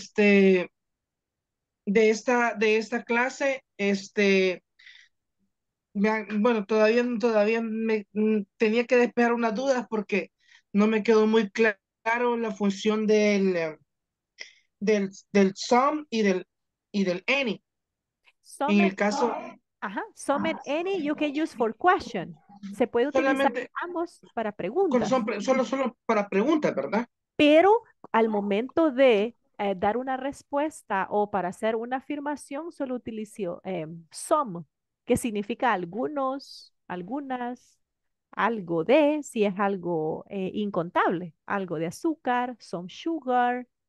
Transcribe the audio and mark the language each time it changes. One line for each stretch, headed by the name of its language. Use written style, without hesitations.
Spanish: De esta clase, todavía tenía que despejar unas dudas porque no me quedó muy claro la función del sum y del any.
English: Some
Spanish: en el caso,
English: sum and any you can use for question.
Spanish: Se puede utilizar ambos para preguntas. Solo para preguntas, ¿verdad? Pero al momento de dar una respuesta o para hacer una afirmación, solo utilizo some, que significa algunos, algunas, algo de, si es algo incontable, algo de azúcar,
English: some sugar.